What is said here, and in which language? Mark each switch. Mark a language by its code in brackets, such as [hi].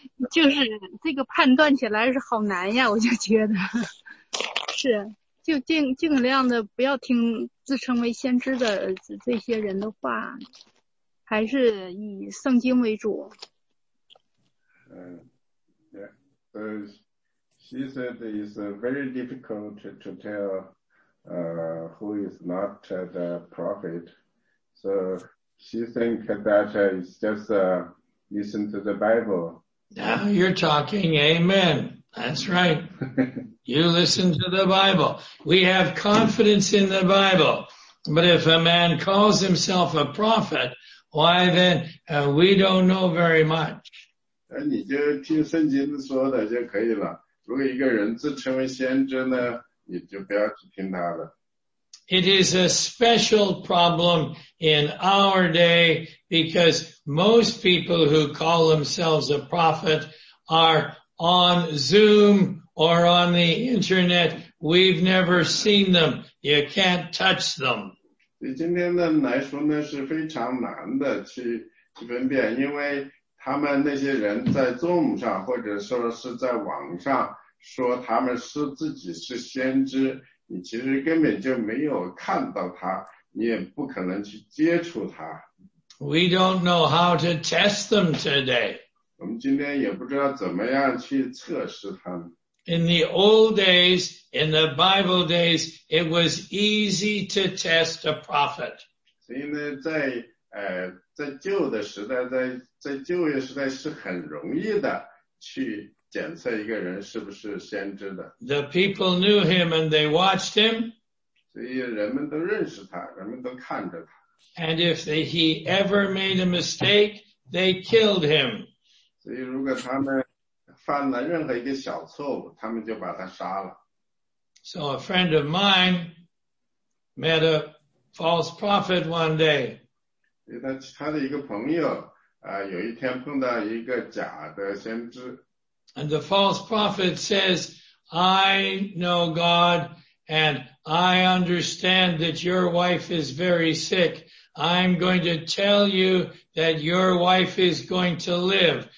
[zh] 就是这个判断起来是好难呀，我就觉得是，就尽量的不要听自称为先知的这些人的话，还是以圣经为主。 [en] So she said it's very difficult to tell who is not the prophet. So. She think that it's just listen to the Bible. Now you're talking, amen. That's right. You listen to the Bible. We have confidence in the Bible. But if a man calls himself a prophet, why then we don't know very much. [zh] 你就听圣经说的就可以了。如果一个人自称为先知呢，你就不要去听他的。 [en] It is a special problem in our day because most people who call themselves a prophet are on Zoom or on the internet. We've never seen them. You can't touch them. [zh] 今天呢来说呢是非常难的去分辨，因为他们那些人在 Zoom 上或者说是在网上说他们是自己是先知。你其实根本就没有看到他，你也不可能去接触他。 [en] We don't know how to test them today. [zh] 我们今天也不知道怎么样去测试他们。 [en] In the old days, in the Bible days, it was easy to test a prophet. [zh] 所以呢，在旧的时代，在旧约时代是很容易的去。检测一个人是不是先知的。 [en] The people knew him and they watched him. [zh] 所以人们都认识他，人们都看着他。 [en] And if he ever made a mistake, they killed him. [zh] 所以如果他们犯了任何一个小错误，他们就把他杀了。 [en] So a friend of mine met a false prophet one day. [zh] 他的一个朋友有一天碰到一个假的先知。 [en] And the false prophet says, I know God, and I understand that your wife is very sick. I'm going to tell you that your wife is going to live.